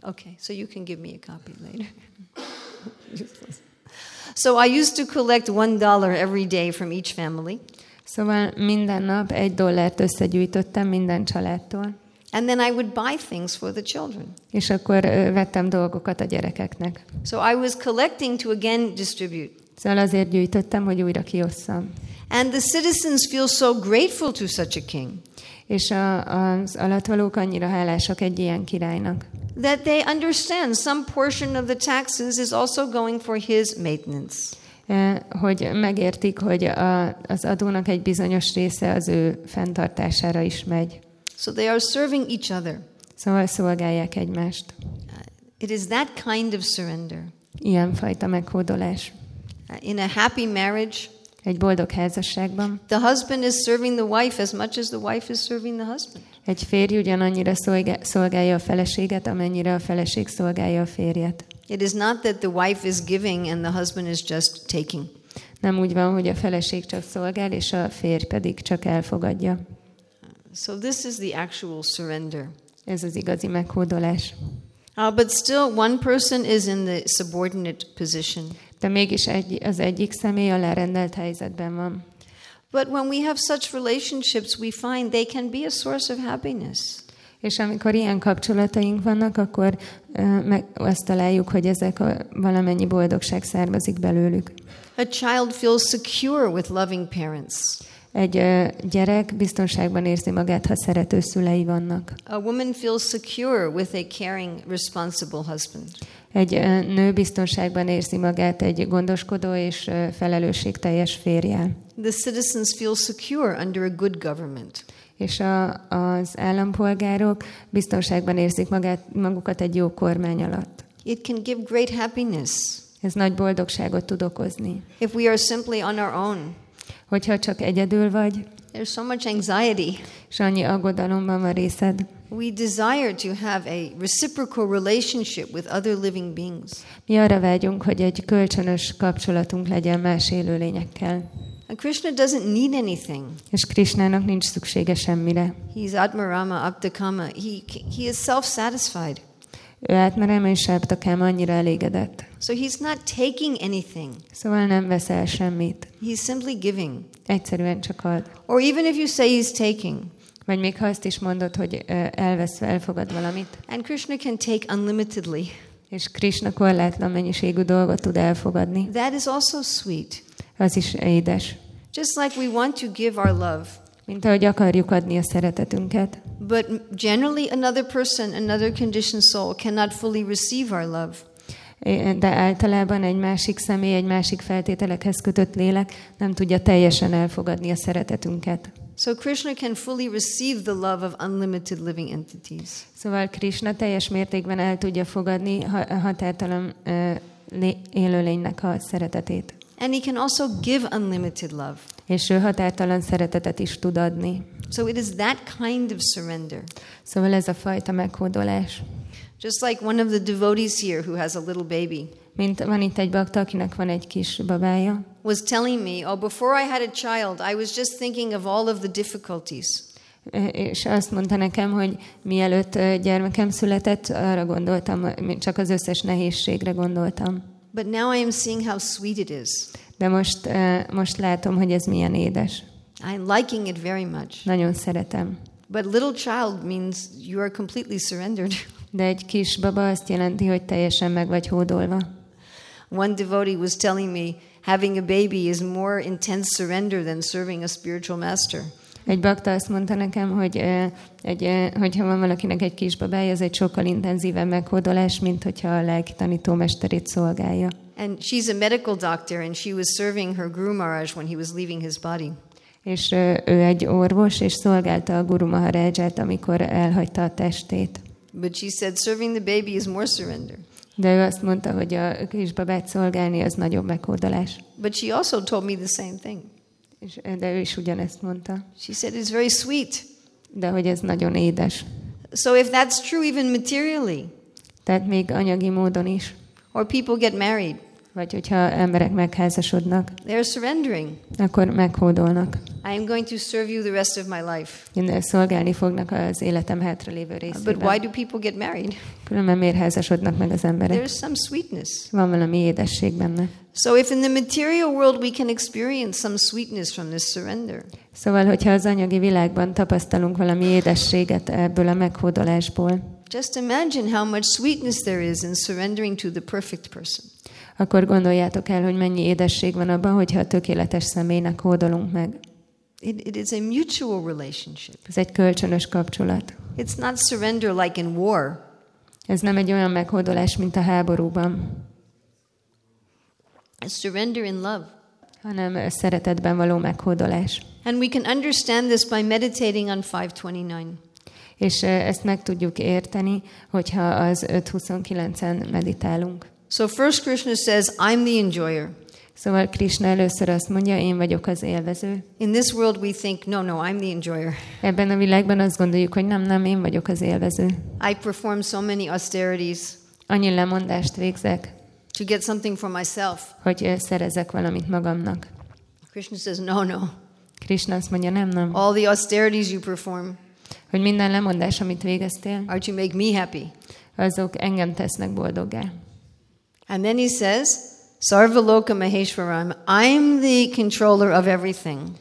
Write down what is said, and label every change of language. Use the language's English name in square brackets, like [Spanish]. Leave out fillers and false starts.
[English] Okay, so you can give me a copy later. So I used to collect $1 every day from each family. [Hungarian] Szóval minden nap $1 összegyűjtöttem minden családtól. [English] And then I would buy things for the children. [Hungarian] És akkor vettem dolgokat a gyerekeknek. [English] So I was collecting to again distribute. [Hungarian] Szóval azért gyűjtöttem, hogy újra kiosszam. [English] And the citizens feel so grateful to such a king. [Hungarian] És az alattvalók annyira hálásak egy ilyen királynak. [English] That they understand some portion of the taxes is also going for his maintenance. [Hungarian] Hogy megértik, hogy az adónak egy bizonyos része az ő fenntartására is megy. [English] So they are serving each other. [Hungarian] Szóval szolgálják egymást. [English] It is that kind of surrender. [Hungarian] Ilyenfajta meghódolás. [English] In a happy marriage, [Hungarian] egy boldog házasságban, [English] the husband is serving the wife as much as the wife is serving the husband. [Hungarian] Egy férj ugyanannyira szolgálja a feleséget, amennyire a feleség szolgálja a férjet. [English] It is not that the wife is giving and the husband is just taking. [Hungarian] Nem úgy van, hogy a feleség csak szolgál, és a férj pedig csak elfogadja. [English] So this is the actual surrender. [Hungarian] Ez az igazi meghódolás. [English] But still, one person is in the subordinate position. [Hungarian] De mégis az egyik személy a lerendelt helyzetben van. [English] But when we have such relationships, we find they can be a source of happiness. [Hungarian] És amikor ilyen kapcsolataink vannak, akkor meg azt találjuk, hogy ezek a valamennyi boldogság származik belőlük. [English] A child feels secure with loving parents. [Hungarian] Egy gyerek biztonságban érzi magát, ha szerető szülei vannak. [English] A woman feels secure with a caring, responsible husband. [Hungarian] Egy nő biztonságban érzi magát egy gondoskodó és felelősségteljes férjel. [English] The citizens feel secure under a good government. [Hungarian] És az állampolgárok biztonságban érzik magukat egy jó kormány alatt. [English] It can give great happiness. [Hungarian] Ez nagy boldogságot tud okozni. [English] If we are simply on our own. [Hungarian] Hogyha csak egyedül vagy. [English] There's so much anxiety. [Hungarian] És annyi aggodalomban van részed. [English] We desire to have a reciprocal relationship with other living beings. [Hungarian] Mi arra vágyunk, hogy egy kölcsönös kapcsolatunk legyen más élőlényekkel. [English] And Krishna doesn't need anything. [Hungarian] És Krishnának nincs szüksége semmire. [English] He's Atmarama, Aptakama. He is self-satisfied. [Hungarian] Ő Atmarama és Aptakama, annyira elégedett. [English] So he's not taking anything. [Hungarian] Szóval nem vesz el semmit. [English] He's simply giving. [Hungarian] Egyszerűen csak ad. [English] Or even if you say he's taking. [Hungarian] Vagy még ha azt is mondod, hogy elvesz, elfogad valamit. [English] And Krishna can take unlimitedly. [Hungarian] És Krishna korlátlan mennyiségű dolgot tud elfogadni. [English] That is also sweet. [Hungarian] Az is édes. [English] Just like we want to give our love. [Hungarian] Mint ahogy akarjuk adni a szeretetünket. [English] But generally another person, another conditioned soul cannot fully receive our love. [Hungarian] De általában egy másik személy, egy másik feltételekhez kötött lélek nem tudja teljesen elfogadni a szeretetünket. [English] So Krishna can fully receive the love of unlimited living entities. [Hungarian] Szóval Krishna teljes mértékben el tudja fogadni határtalan élőlénynek a szeretetét. [English] And he can also give unlimited love. [Hungarian] És ő határtalan szeretetet is tud adni. [English] So it is that kind of surrender. [Hungarian] Szóval ez a fajta meghódolás. [English] Just like one of the devotees here who has a little baby. [Hungarian] Mint van itt egy bakta, akinek van egy kis babája. [English] Was telling me, oh, before I had a child, I was just thinking of all of the difficulties. [Hungarian] És azt mondta nekem, hogy mielőtt gyermekem született, arra gondoltam, csak az összes nehézségre gondoltam. [English] But now I am seeing how sweet it is. [Hungarian] De most látom, hogy ez milyen édes. [English] I'm liking it very much. [Hungarian] Nagyon szeretem. [English] But little child means you are completely surrendered. [Hungarian] De egy kis baba azt jelenti, hogy teljesen meg vagy hódolva. [English] One devotee was telling me, having a baby is more intense surrender than serving a spiritual master. [Hungarian] Egy bakta azt mondta nekem, hogy ha van valakinek egy kis babája, az egy sokkal intenzívebb meghódolás, mint hogyha a lelki tanító mesterét szolgálja. [English] And she's a medical doctor, and she was serving her Guru Maharaj when he was leaving his body. [Hungarian] És ő egy orvos, és szolgálta a Guru Maharajját, amikor elhagyta a testét. [English] But she said serving the baby is more surrender. [Hungarian] De ő azt mondta, hogy a kis babát szolgálni az nagyobb meghódolás. [English] But she also told me the same thing. [Hungarian] De ő is ugyanezt mondta. [English] She said it's very sweet. [Hungarian] De hogy ez nagyon édes. [English] So if that's true even materially. [Hungarian] Tehát még anyagi módon is. [English] Or people get married. [Hungarian] Vagy hogyha emberek megházasodnak. [English] They're surrendering. [Hungarian] Akkor meghódolnak. [English] I am going to serve you the rest of my life. [Hungarian] Én szolgálni fognak az életem hátralévő részében. [English] But why do people get married? [Hungarian] Különben miért házasodnak meg az emberek? [English] There's some sweetness. [Hungarian] Van valami édesség benne. [English] So if in the material world we can experience some sweetness from this surrender. [Hungarian] Szóval hogyha az anyagi világban tapasztalunk valami édességet ebből a meghódolásból. [English] Just imagine how much sweetness there is in surrendering to the perfect person. [Hungarian] Akkor gondoljátok el, hogy mennyi édesség van abban, hogyha a tökéletes személynek hódolunk meg. [English] It is a mutual relationship. [Hungarian] Ez egy kölcsönös kapcsolat. [English] It's not surrender like in war. [Hungarian] Ez nem egy olyan meghódolás, mint a háborúban. [English] A surrender in love. [Hungarian] Hanem a szeretetben való meghódolás. [English] And we can understand this by meditating on 529. [Hungarian] És ezt meg tudjuk érteni, hogyha az 529-en meditálunk. [English] So first Krishna says, I'm the enjoyer. [Hungarian] Szóval Krishna először azt mondja, én vagyok az élvező. [English] In this world we think, no, I'm the enjoyer. [Hungarian] Ebben a világban azt gondoljuk, hogy nem, én vagyok az élvező. [English] I perform so many austerities. [Hungarian] Annyi lemondást végzek. [English] To get something for myself. [Hungarian] Hogy szerezek valamit magamnak. [English] Krishna says, no. [Hungarian] Krishna azt mondja, nem. [English] All the austerities you perform. [Hungarian] Hogy minden lemondás, amit végeztél. [English] Are to make me happy. [Hungarian] azok engem tesznek boldoggá. [English] And then he says, [Sanskrit] Sarvaloka Maheshwaram, [English] I'm the controller of everything.